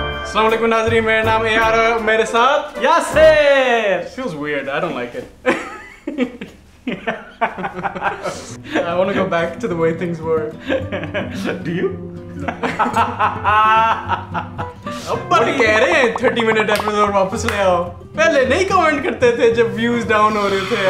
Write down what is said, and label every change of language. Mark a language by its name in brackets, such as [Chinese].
[Hindi] Assalamualaikum Nazreen, मेरा नाम है यार, मेरे साथ Yasir. [English] Feels weird, I don't like it. I want to go back to the way things were. Do you? [Hindi] अब कह रहे हैं 30 मिनट एपिसोड वापस ले आओ. पहले नहीं कमेंट करते थे जब व्यूज डाउन हो रहे थे.